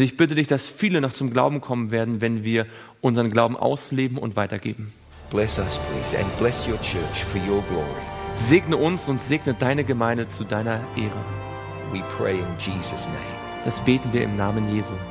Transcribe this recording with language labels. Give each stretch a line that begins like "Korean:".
German: Und ich bitte dich, dass viele noch zum Glauben kommen werden, wenn wir unseren Glauben ausleben und weitergeben.
English: Bless us, please, and bless your church for your glory.
German: Segne uns und segne deine Gemeinde zu deiner Ehre.
English: We pray in Jesus' name.
German: Das beten wir im Namen Jesu.